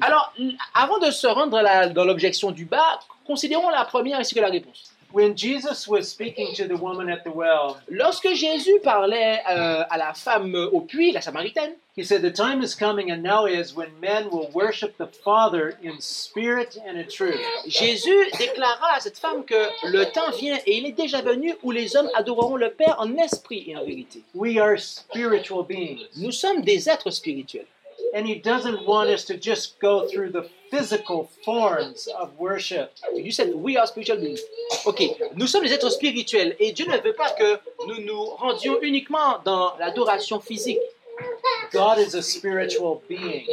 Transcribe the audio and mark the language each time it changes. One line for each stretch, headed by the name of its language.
French: Alors, avant de se rendre dans l'objection du bas, considérons la première ainsi que la réponse.
English: When Jesus was speaking to the woman at the well,
French: lorsque Jésus parlait à la femme au puits, la Samaritaine,
English: he said, "The time is coming and now is when men will worship the Father in spirit and in truth."
French: Jésus déclara à cette femme que le temps vient et il est déjà venu où les hommes adoreront le Père en esprit et en vérité.
English: We are spiritual beings.
French: Nous sommes des êtres spirituels.
English: And he doesn't want us to just go through the physical forms of worship. You said we are spiritual beings.
French: Okay, nous sommes des êtres spirituels et Dieu ne veut pas que nous nous rendions uniquement dans l'adoration physique.
English: God is a spiritual being.